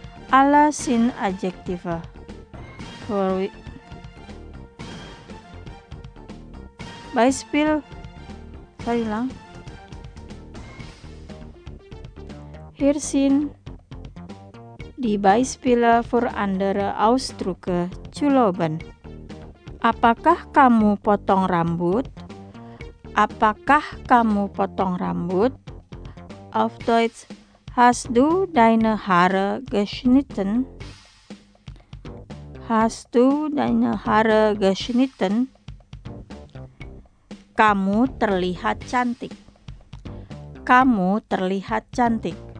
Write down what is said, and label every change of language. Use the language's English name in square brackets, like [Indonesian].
[German] Alle sind Adjektive. Für Beispiel. Sorry lang. Hier sind die Beispiele für andere Ausdrücke zu loben. [Indonesian] Apakah kamu potong rambut? Apakah kamu potong rambut? [German] Auf Deutsch: Hast du deine Haare geschnitten? Hast du deine Haare geschnitten? [Indonesian] Kamu terlihat cantik. Kamu terlihat cantik.